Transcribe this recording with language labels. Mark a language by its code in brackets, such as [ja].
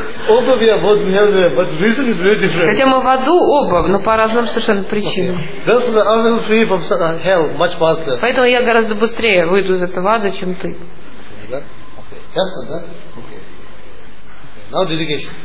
[en] Although we are both in hell realm, but reason is very different. [ru] Хотя мы в аду оба, но по разным совершенно причинам. [en] That's why I will free from hell much faster. [ru] Поэтому я гораздо быстрее выйду из этого ада, чем ты. Да? [en] Okay. [ru] Ясно, да? [en] Okay. Now dedication.